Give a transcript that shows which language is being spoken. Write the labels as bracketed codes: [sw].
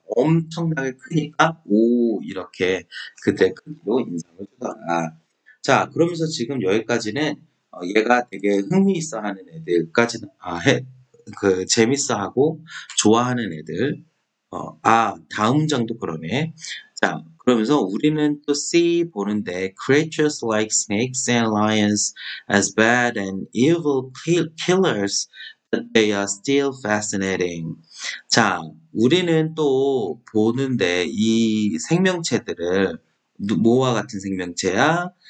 [ko] 엄청나게 크니까 오 이렇게 그때 크기로 인상을 주더라. 자, 그러면서 지금 여기까지는 얘가 되게 흥미있어 하는 애들까지는 그 재밌어 하고 좋아하는 애들. 아, 다음 장도 그러네. 자, 자, 그러면서 우리는 또 C 보는데 [en] creatures like snakes and lions as bad and evil killers but they are still fascinating. [ko] 자, 우리는 또 보는데 이 생명체들을 뭐와 같은 생명체야?